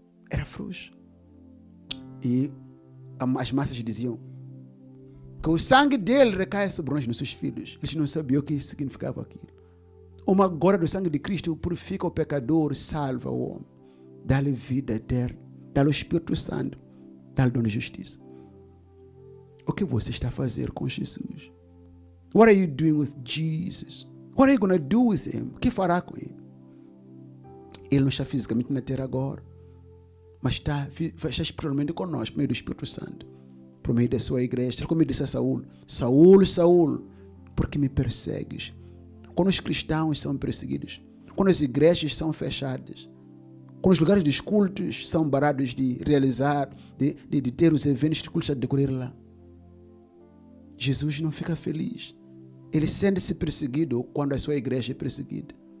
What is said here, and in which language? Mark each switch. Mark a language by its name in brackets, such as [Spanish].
[Portuguese] Era frouxo. E as massas diziam, que o sangue dele recaia sobre nós, nos seus filhos. Eles não sabiam o que significava aquilo. Uma gota do sangue de Cristo purifica o pecador, salva o homem. Dá-lhe vida eterna. Dá-lhe o Espírito Santo. Dá-lhe dono de justiça. O que você está a fazer com Jesus? [English] What are you doing with Jesus? What are you going to do with him? [Portuguese] O que fará com ele? Ele não está fisicamente na terra agora. Mas está espiritualmente conosco, por meio do Espírito Santo. Por meio da sua igreja, como disse a Saúl, Saúl, Saúl, por que me persegues? Quando os cristãos são perseguidos, quando as igrejas são fechadas, quando os lugares dos cultos são barrados de realizar, de ter os eventos de cultos a decorrer lá, Jesus não fica feliz. Ele sente-se perseguido quando a sua igreja é perseguida.